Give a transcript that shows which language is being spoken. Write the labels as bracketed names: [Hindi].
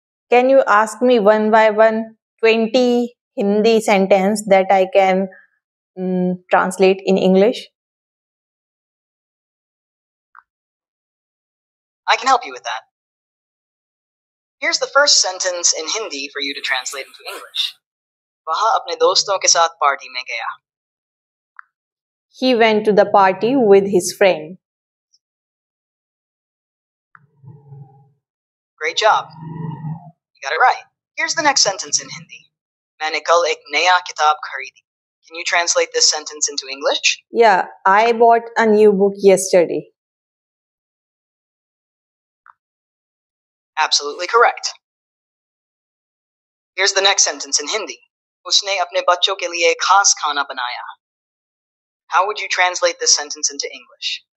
[English] Can you ask me one by one 20 Hindi sentences that I can translate in English? I can help you with that. Here's the first sentence in Hindi for you to translate into English. [Hindi] वह अपने दोस्तों के साथ party में गया. [English] He went to the party with his friend. Great job. You got it right. Here's the next sentence in Hindi. [Hindi] मैंने कल एक नया किताब खरीदी. [English] Can you translate this sentence into English? Yeah, I bought a new book yesterday. Absolutely correct. Here's the next sentence in Hindi. [Hindi] उसने अपने बच्चो के लिए खास खाना बनाया. [English] How would you translate this sentence into English?